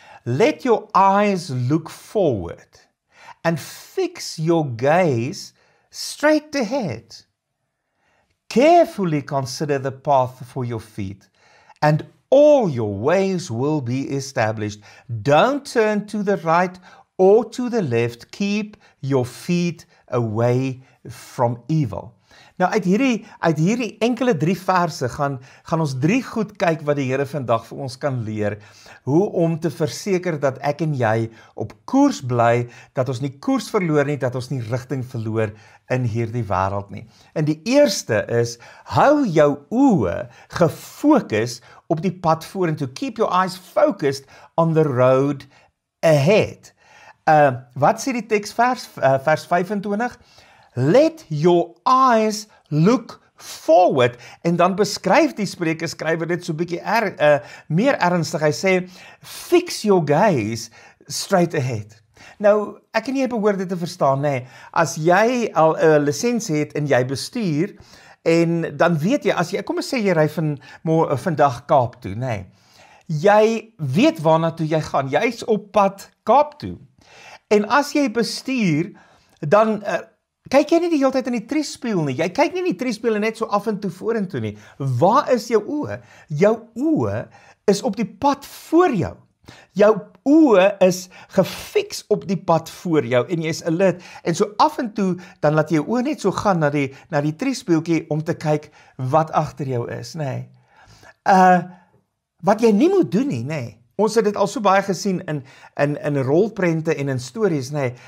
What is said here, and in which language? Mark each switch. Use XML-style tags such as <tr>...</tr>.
<en>Let your eyes look forward and fix your gaze straight ahead. Carefully consider the path for your feet, and all your ways will be established. Don't turn to the right or to the left. Keep your feet away from evil.</en> <af>Nou, uit hierdie enkele drie verse gaan ons drie goed kyk wat die Here vandag vir ons kan leer, hoe om te verseker dat ek en jy op koers bly, dat ons nie koers verloor nie, dat ons nie rigting verloor in hierdie wêreld nie. En die eerste is, hou jou oë gefokus op die pad vorentoe.</af> <en>Keep your eyes focused on the road ahead.</en> <af>Wat sê die teksvers, vers 25?</af> <en>Let your eyes look forward.</en> <af>En dan beskryf die Spreuke skrywer dit so bietjie meer ernstig. Hy sê,</af> <en>fix your gaze straight ahead.</en> <af>Nou, ek en jy behoort dit te verstaan, nee. As jy al 'n lisensie het en jy bestuur, en dan weet jy, as jy, kom ons sê jy ry vandag Kaap toe, nee. Jy weet waarna toe jy gaan. Jy is op pad Kaap toe. En as jy bestuur, dan kyk jy nie die hele tyd in die triespieël nie. Jy kyk nie in die triespieël net so af en toe vorentoe nie. Waar is jou oë? Jou oë is op die pad voor jou. Jou oë is gefiks op die pad voor jou en jy is alert. En so af en toe, dan laat jy oë net so gaan na die triespieëltjie om te kyk wat agter jou is, nee. Wat jy nie moet doen nie, nee. Ons het dit al so baie gesien in rolprente en in stories, nee.</af>